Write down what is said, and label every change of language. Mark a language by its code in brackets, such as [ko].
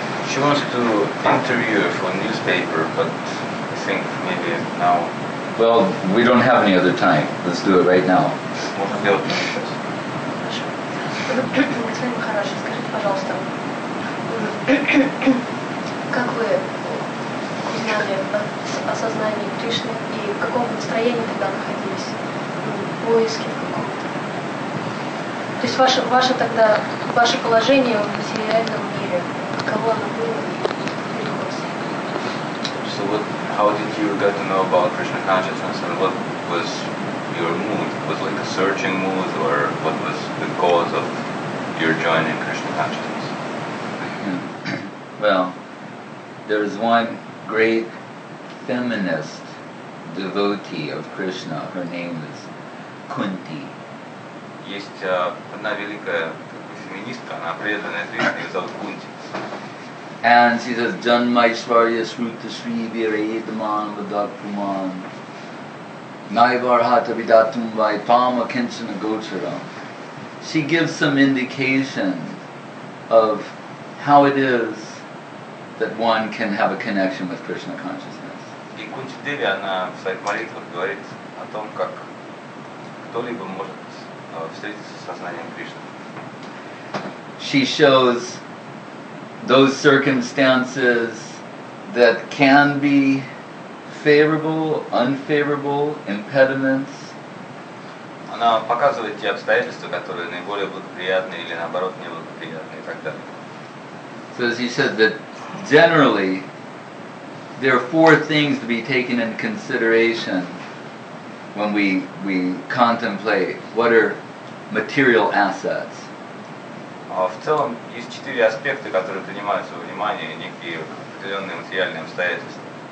[en] She wants to interview for a newspaper, but I think maybe now. Well, we don't have any other time. Let's do it right now. [ru] Как вы узнали о сознании Кришны и в каком настроении тогда находились? В поиске каком-то. То есть ваше тогда, ваше положение в материальном мире, каково оно было и приходилось? [en] So what, how did you get to know about Krishna consciousness and what was your mood? Was like a searching mood or what was the cause of your joining Krishna consciousness? Well, there's one great feminist devotee of Krishna. Her name is Kunti. [ru] Есть одна великая феминистка, она преданная Кришне, её зовут Кунти. [en] And she says, [sa] Janmaishwarya Shruta Shri Viraidman Vadakuman Naivarhata Vidatum Vaipama Kinshana Gocharam. [en] She gives some indication of how it is that one can have a connection with Krishna consciousness. [ru] И Кунти Деви, она в своих молитвах говорит о том, как кто-либо может встретиться с сознанием Кришны. [en] She shows those circumstances that can be favorable, unfavorable, impediments. [ru] Она показывает те обстоятельства, которые наиболее благоприятны или наоборот неблагоприятны и так далее. [en] So as he said that generally there are four things to be taken into consideration when we contemplate what are material assets. [ru] В целом есть четыре аспекта, которые принимаются во внимание, некие определенные материальные обстоятельства.